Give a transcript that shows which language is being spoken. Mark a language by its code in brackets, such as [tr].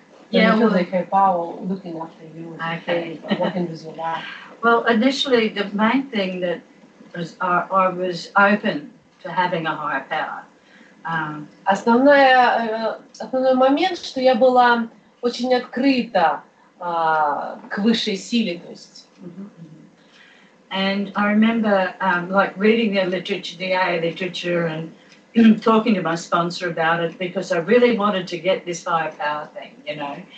[en] Yeah, well, like high power looking after you. Okay. Working with your life. Well, initially, the main thing that was I was open to having a higher power. [ru] Основной момент, что я была очень открыта к высшей силе, то есть. [en] And I remember reading the literature, the AA literature, and talking to my sponsor about it because I really wanted to get this higher power thing, you know.